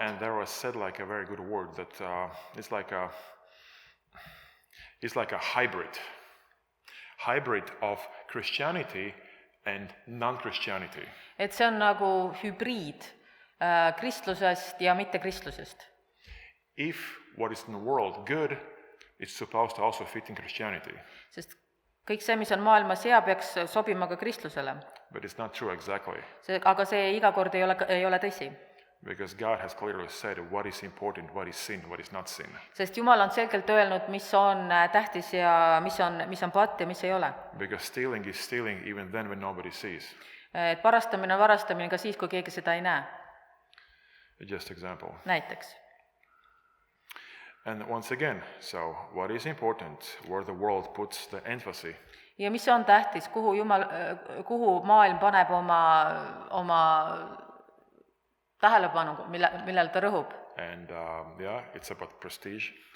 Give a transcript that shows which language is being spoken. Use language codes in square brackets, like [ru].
[en] And there was said like a very good word that it's like a hybrid. Hybrid of Christianity and non-Christianity. [et] Et see on nagu hübriid kristlusest ja mitte kristlusest. [en] If what is in the world good, it's supposed to also fit in Christianity. [et] Sest kõik see, mis on maailma hea, peaks sobima ka kristlusele. [en] But it's not true exactly. [et] See, aga see igakord ei ole tõsi. [en] Because God has clearly said what is important, what is sin, what is not sin. [et] Sest Jumal on selgelt öelnud, mis on tähtis ja mis on patt ja mis ei ole. [en] Because stealing is stealing even then when nobody sees. [et] Et varastamine on varastamine ka siis, kui keegi seda ei näe. [en] Just example. [et] Näiteks. [en] And once again, so what is important, where the world puts the emphasis? [et] Ja mis on tähtis, kuhu Jumal, kuhu maailm paneb oma tähelepanu, millel ta rõhub. [en] And yeah, it's about prestige.